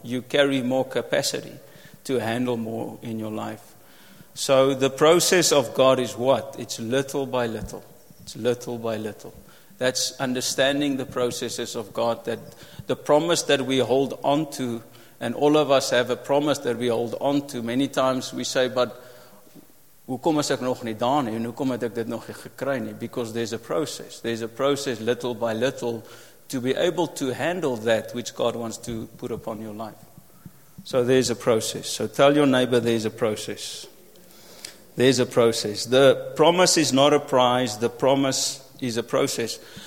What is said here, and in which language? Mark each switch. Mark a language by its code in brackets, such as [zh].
[en] You carry more capacity to handle more in your life. So the process of God is what? It's little by little. It's little by little. That's understanding the processes of God, that the promise that we hold on to, and all of us have a promise that we hold on to. Many times we say, but [af] hoekom is ek nog nie daar nie? En hoekom het ek dit nog nie gekry nie? [en] Because there's a process. There's a process little by little to be able to handle that which God wants to put upon your life. So there's a process. So tell your neighbor there's a process. There's a process. The promise is not a prize. The promise is a process.